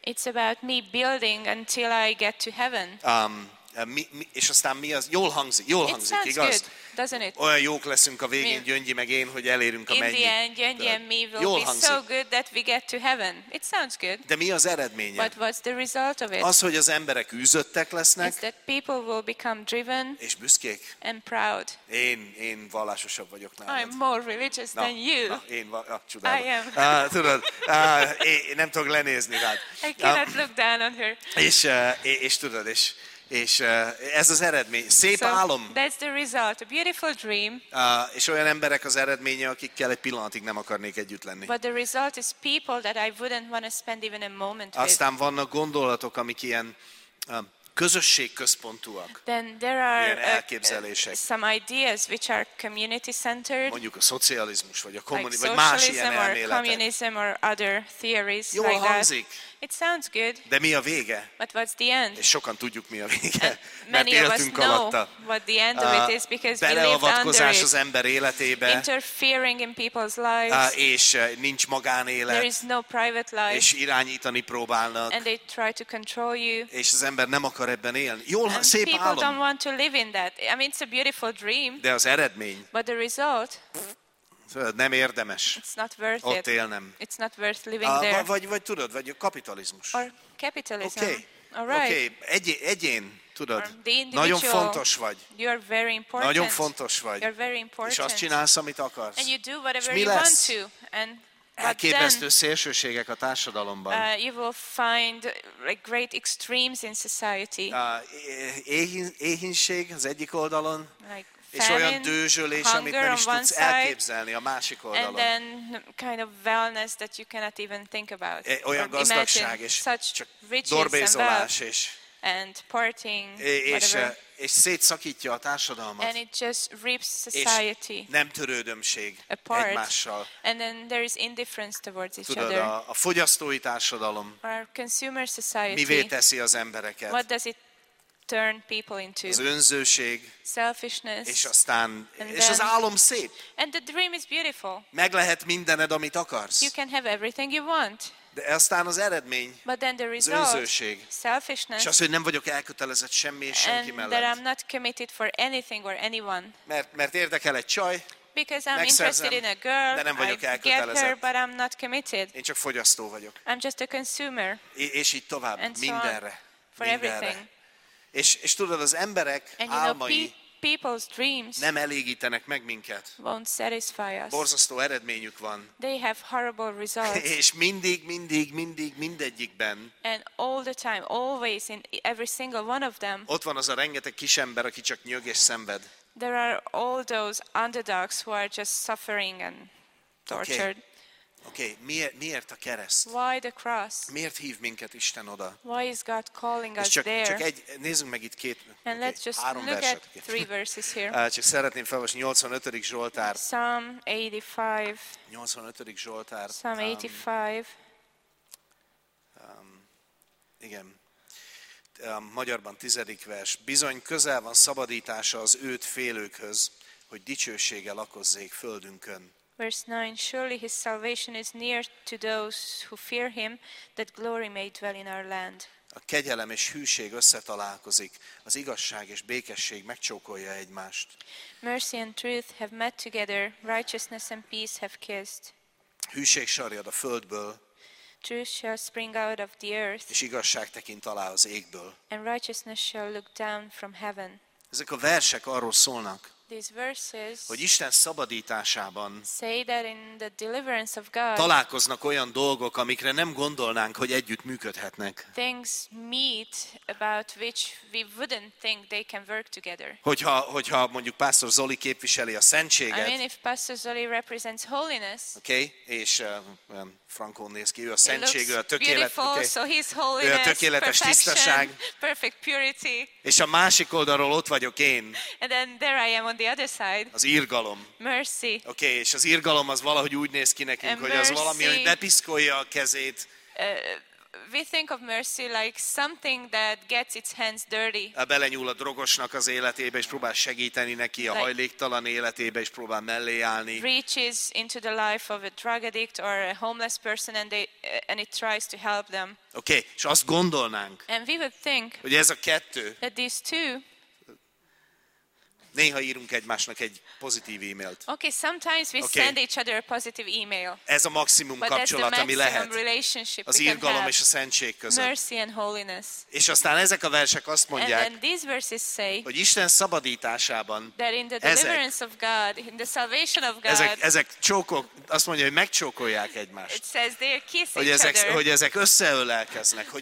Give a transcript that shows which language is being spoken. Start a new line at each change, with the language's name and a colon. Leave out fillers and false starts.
English: It's about me building until I get to heaven.
Hungarian: És aztán mi az? Jól hangzik, igaz?
English: Good,
Hungarian: olyan jók leszünk a végén, Gyöngyi meg én, hogy elérünk a mennyit. Jól hangzik.
English: So good that we get to heaven. It sounds good.
Hungarian: De mi az eredménye?
English: But what's the result of it?
Hungarian: Az, hogy az emberek üzöttek lesznek.
English: It's that people will become driven.
Hungarian: És büszkék.
English: And proud.
Hungarian: Én vallásosabb vagyok nálad.
English: I'm more religious than you.
Hungarian: Csodálom.
English: I am.
Hungarian: Tudod, én nem tudok lenézni rád.
English: I cannot look down on her.
Hungarian: És tudod, és... És ez az eredmény. Szép
English: so,
Hungarian: álom.
English: That's the result, a beautiful dream.
Hungarian: És olyan emberek az eredménye, akikkel egy pillanatig nem akarnék együtt lenni.
English: But the result is people that I wouldn't want to spend even a moment with.
Hungarian: Aztán vannak gondolatok, amik ilyen közösségközpontúak.
English: Then there are
Hungarian: elképzelések.
English: Some ideas which are community centered.
Hungarian: Mondjuk a szocializmus vagy a kommunizmus, vagy más ilyen elméletek.
English: Or communism or other theories.
Hungarian: Jól
English: like
Hungarian: hangzik.
English: That. It sounds good.
Hungarian: De mi a vége?
English: But what's the end?
Hungarian: És sokan tudjuk, mi a vége. Mert éltünk alatta.
English: What the end of it is because we lived under
Hungarian: beleavatkozás az ember életébe.
English: Interfering in people's lives.
Hungarian: És nincs magánélet.
English: There is no private life.
Hungarian: És irányítani próbálnak.
English: And they try to control you.
Hungarian: És az ember nem akar ebben élni. Jól,
English: and
Hungarian: szép
English: people
Hungarian: álom.
English: Don't want to live in that. I mean, it's a beautiful dream.
Hungarian: De az eredmény.
English: But the result.
Hungarian: Nem érdemes.
English: It's not worth
Hungarian: ott
English: it.
Hungarian: Élnem.
English: It's not worth living there.
Hungarian: Vagy tudod, vagy a kapitalizmus.
English: Or capitalism. Okay. All right.
Hungarian: Okay. Egyén, tudod.
English: Or the individual.
Hungarian: Nagyon fontos vagy.
English: You are very important.
Hungarian: Nagyon fontos vagy.
English: You're very important.
Hungarian: És azt csinálsz, amit akarsz.
English: And you do whatever
Hungarian: mi lesz?
English: You want to. And
Hungarian: elképesztő szélsőségek a társadalomban.
English: You will find like great extremes in society.
Hungarian: Éhínség az egyik oldalon.
English: Like
Hungarian: és olyan dőzsölés, amit nem is tudsz elképzelni a másik oldalon.
English: And then kind of wellness that you cannot even think about.
Hungarian: Olyan gazdagság és csak dorbézolás és
English: and partying,
Hungarian: és szétszakítja a társadalmat.
English: And it just rips society.
Hungarian: És nem törődömség
English: apart.
Hungarian: Egymással.
English: And then there is indifference towards each
Hungarian: tudod,
English: other.
Hungarian: A fogyasztói társadalom.
English: Our consumer society.
Hungarian: Mivé teszi az embereket?
English: What does it turn people into
Hungarian: az önzőség,
English: selfishness,
Hungarian: és aztán,
English: and
Hungarian: és
English: then,
Hungarian: az álom szép.
English: And the dream is beautiful.
Hungarian: Meg lehet mindened, amit akarsz.
English: You can have everything you want.
Hungarian: De aztán az eredmény,
English: but then the result,
Hungarian: az önzőség,
English: selfishness,
Hungarian: és az, hogy nem vagyok elkötelezett semmi és senki mellett.
English: That I'm not committed for anything or anyone.
Hungarian: Mert érdekel egy csaj,
English: because I'm interested in a girl,
Hungarian: de nem vagyok
English: I
Hungarian: elkötelezett.
English: Get her, but I'm not committed.
Hungarian: Én csak fogyasztó vagyok.
English: I'm just a consumer.
Hungarian: És így tovább,
English: and
Hungarian: mindenre.
English: So for everything.
Hungarian: És tudod, az emberek álmai
English: people's dreams
Hungarian: nem elégítenek meg minket.
English: Won't satisfy us.
Hungarian: Borzasztó eredményük van.
English: They have horrible results.
Hungarian: És mindig mindegyikben.
English: And all the time, always in every single one of them.
Hungarian: Ott van az a rengeteg kis ember, aki csak nyög és szenved.
English: There are all those underdogs who are just suffering and tortured.
Hungarian: Okay. Okay, miért a kereszt?
English: Why the cross?
Hungarian: Miért hív minket Isten oda?
English: Why is God calling us
Hungarian: csak,
English: there?
Hungarian: Csak egy, nézzünk meg itt két,
English: and okay, let's just
Hungarian: három
English: look
Hungarian: verset.
English: At three verses here.
Hungarian: Csak szeretném felolvasni 85. Zsoltár.
English: Psalm 85.
Hungarian: 85. Zsoltár.
English: Psalm 85.
Hungarian: Igen. Magyarban 10. vers. Bizony közel van szabadítása az őt félőkhöz, hogy dicsősége lakozzék földünkön.
English: Verse 9, surely his salvation is near to those who fear him, that glory may dwell in our land.
Hungarian: a kegyelem és hűség összetalálkozik, az igazság és békesség megcsókolja egymást.
English: Mercy and truth have met together, righteousness and peace have kissed.
Hungarian: Hűség sarjad a földből,
English: truth shall spring out of the earth,
Hungarian: és igazság tekint alá az égből.
English: And righteousness shall look down from heaven.
Hungarian: Ezek a versek arról szólnak,
English: these verses,
Hungarian: hogy Isten szabadításában
English: say that in the deliverance of God,
Hungarian: találkoznak olyan dolgok, amikre nem gondolnánk, hogy együtt működhetnek.
English: Things meet about which we wouldn't think they can work together.
Hungarian: Hogyha mondjuk Pastor Zoli képviseli a szentséget.
English: I mean, if Pastor Zoli represents holiness.
Hungarian: Okay, és Franco néz ki, ő a szentség, ő a tökélet,
English: okay, so his holiness,
Hungarian: ő a tökéletes tisztaság.
English: Perfect purity.
Hungarian: És a másik oldalról ott vagyok én.
English: And then there I am on the other side.
Hungarian: Az irgalom.
English: Mercy.
Hungarian: Okay, és az irgalom az valahogy úgy néz ki nekünk,
English: and
Hungarian: hogy
English: mercy,
Hungarian: az valami, hogy bepiszkolja a kezét.
English: We think of mercy like something that gets its hands dirty.
Hungarian: Belenyúl a drogosnak az életébe és próbál segíteni neki, a hajléktalan életébe és próbál mellé állni.
English: Reaches into the life of a drug addict or a homeless person and it tries to help them.
Hungarian: Okay, és azt gondolnánk.
English: And we would think.
Hungarian: Hogy ez a kettő.
English: That these two.
Hungarian: Néha írunk egymásnak egy pozitív e-mailt.
English: Okay, sometimes we send each other a positive email.
Hungarian: Ez a maximum
English: but
Hungarian: kapcsolat,
English: that's the maximum
Hungarian: ami lehet.
English: Relationship
Hungarian: az irgalom és a szentség között.
English: Mercy and holiness.
Hungarian: És aztán ezek a versek azt mondják,
English: and these verses say,
Hungarian: hogy Isten szabadításában
English: that in the deliverance of God, in the salvation of God,
Hungarian: ezek csókok, azt mondja, hogy megcsókolják egymást.
English: It says they kiss
Hungarian: hogy
English: each
Hungarian: ezek,
English: other.
Hungarian: Hogy ezek összeölelkeznek, hogy